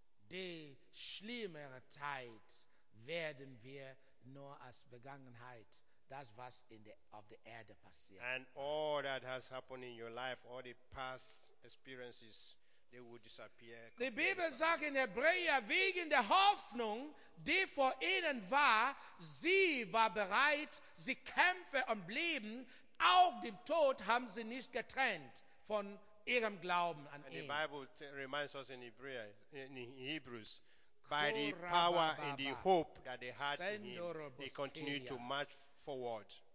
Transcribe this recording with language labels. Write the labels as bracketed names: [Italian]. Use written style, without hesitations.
[German] Die schlimmere Zeit werden wir nur als Vergangenheit, das was in der auf der Erde passiert. [English] And all that has happened in your life, all the past experiences, they will disappear. [German] Die Bibel sagt in Hebräer, wegen der Hoffnung, die vor ihnen war, sie war bereit, sie kämpfe und blieben. Auch dem Tod haben sie nicht getrennt von ihrem Glauben an [English] and [German] ihn. [English] The Bible reminds us in Hebrews, by the power and the hope that they had in him, they continued to march forward.